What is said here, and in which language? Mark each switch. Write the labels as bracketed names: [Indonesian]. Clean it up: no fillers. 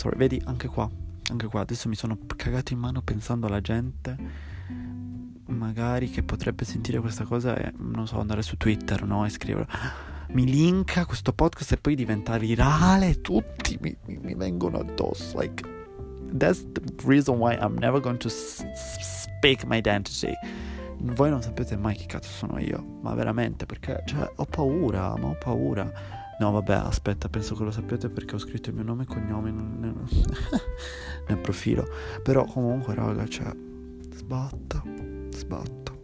[Italian] Vedi, anche qua, adesso mi sono cagato in mano pensando alla gente magari che potrebbe sentire questa cosa e, non so, andare su Twitter, no, e scrivere: mi linka questo podcast e poi diventa virale, tutti mi vengono addosso. [English] Like, that's the reason why I'm never going to speak my identity. [Italian] Voi non sapete mai chi cazzo sono io, ma veramente, perché, cioè, ho paura. No, vabbè, aspetta, penso che lo sappiate perché ho scritto il mio nome e cognome nel profilo. Però comunque, raga, cioè, sbatto.